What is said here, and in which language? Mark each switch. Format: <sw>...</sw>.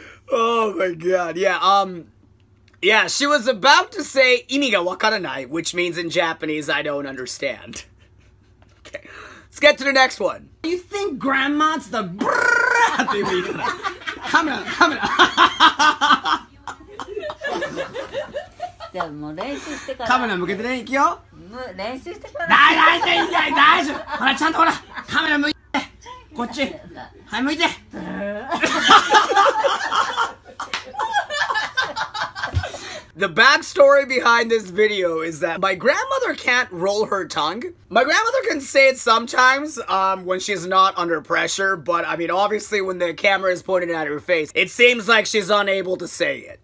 <en>Oh my god, yeah, she was about to say</en> <ja>意味がわからない,</ja> <en>which means in Japanese, I don't understand. Okay, let's get to the next one. You think grandma's the brrrr at the end of the day?</en> <ja>でも練習してからカメラ向けてね、行くよ。練習してから大丈夫、大丈夫、ほらちゃんとほらカメラ向いてこっち、はい向いて</ja> <en>The backstory behind this video is that my grandmother can't roll her tongue. My grandmother can say it sometimes, when she's not under pressure, but I mean, obviously when the camera is pointed at her face, it seems like she's unable to say it.</en>